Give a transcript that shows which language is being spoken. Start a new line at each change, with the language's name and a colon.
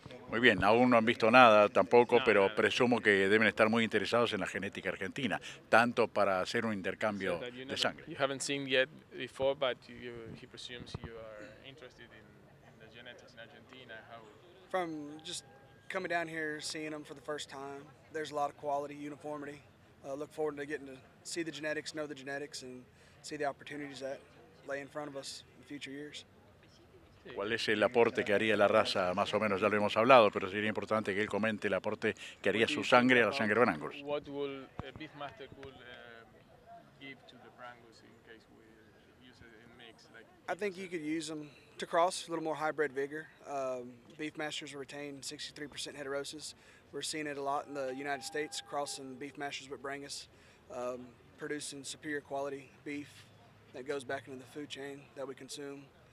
Spanish: Muy bien, aún no han visto nada tampoco, pero presumo que deben estar muy interesados en la genética argentina, tanto para hacer un intercambio de sangre.
English: You haven't seen yet before, but he presumes you are interested in the genetics in Argentina. How? From just coming down here, seeing them for the first time, there's a lot of quality, uniformity. Look forward to getting to see the genetics, know the genetics, and see the opportunities that lay in front of us in future years.
Spanish: ¿Cuál es el aporte que haría la raza? Más o menos ya lo hemos hablado, pero sería importante que él comente el aporte que haría su sangre a la sangre Brangus.
English: What will a Beefmaster could give to the Brangus in case we use it in mix? Like, I think you could use them to cross, a little more hybrid vigor. Beefmasters retain 63% heterosis. We're seeing it a lot in the United States, crossing Beefmasters with Brangus, producing superior quality beef that goes back into the food chain that we consume.